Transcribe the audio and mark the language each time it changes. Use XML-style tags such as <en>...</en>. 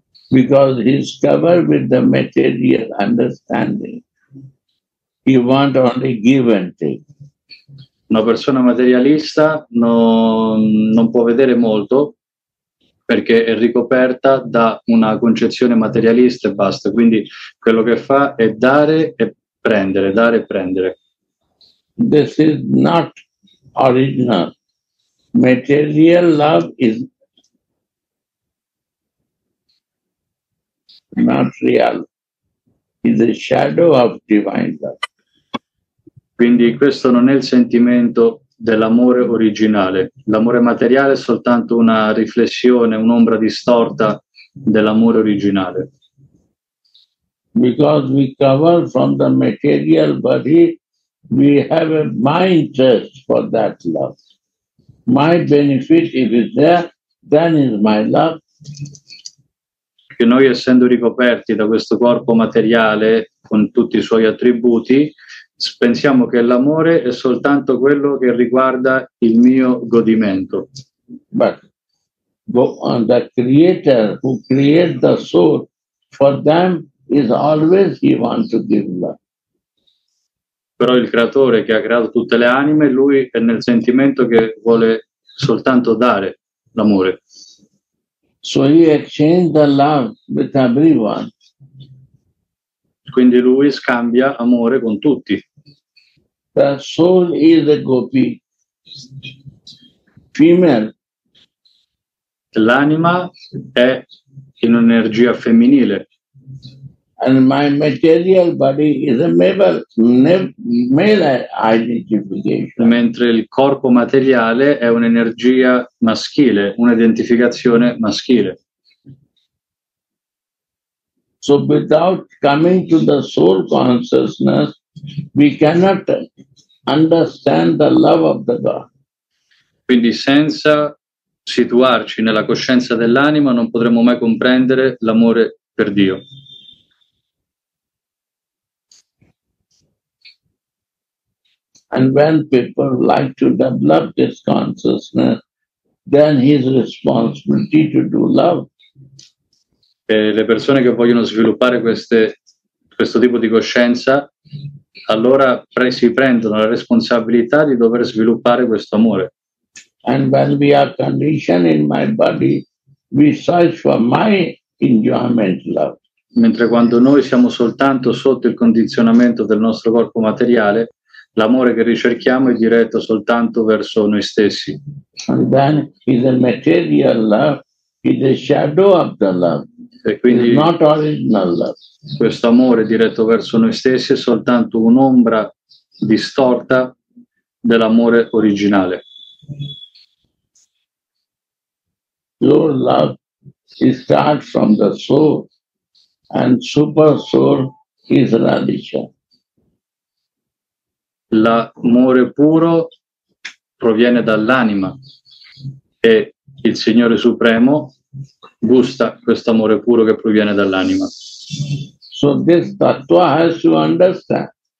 <en>Because he is covered with the material understanding. He wants only give and take.</en> <it>Una persona materialista non può vedere molto perché è ricoperta da una concezione materialista e basta. Quindi quello che fa è dare e prendere, dare e prendere.</it> <en>This is not original. Material love is not real, is a shadow of divine love.</en> <it>Quindi questo non è il sentimento dell'amore originale. L'amore materiale è soltanto una riflessione, un'ombra distorta dell'amore originale.</it> <en>Because we cover from the material body, we have a my interest for that love. My benefit, if it's there, then is my love.</en> <it>Che noi essendo ricoperti da questo corpo materiale con tutti i suoi attributi pensiamo che l'amore è soltanto quello che riguarda il mio godimento.</it> <en>But the creator who creates the soul for them is always he wants to give love.</en> <it>Però il creatore che ha creato tutte le anime, lui è nel sentimento che vuole soltanto dare l'amore.</it> <en>So he exchanged the love with everyone.</en> <it>quindi lui scambia amore con tutti.</it> <en>The soul is a gopi, female.</en> <it>L'anima è in un'energia femminile.</it> <en>And my material body is a male identification.</en> <it>Mentre il corpo materiale è un'energia maschile, un'identificazione maschile.</it> <en>So without coming to the soul consciousness, we cannot understand the love of the God.</en> <it>Quindi senza situarci nella coscienza dell'anima non potremo mai comprendere l'amore per Dio.</it> <en>And when people like to develop this consciousness, then his responsibility to do love.</en> <it>E le persone che vogliono sviluppare questo tipo di coscienza, allora si prendono la responsabilità di dover sviluppare questo amore.</it> <en>And when we are conditioned in my body, we search for my enjoyment love.</en> <it>Mentre quando noi siamo soltanto sotto il condizionamento del nostro corpo materiale, l'amore che ricerchiamo è diretto soltanto verso noi stessi.</it> <en>And then is a material love, is a shadow of the love.</en> <it>E quindi</it> <en>it's not original love.</en> <it>Questo amore diretto verso noi stessi è soltanto un'ombra distorta dell'amore originale.</it> <en>Your love is start from the soul and super soul is Radhika.</en> <it>L'amore puro proviene dall'anima e il Signore Supremo gusta questo amore puro che proviene dall'anima.</it> <en>So this tattva has to understand.</en>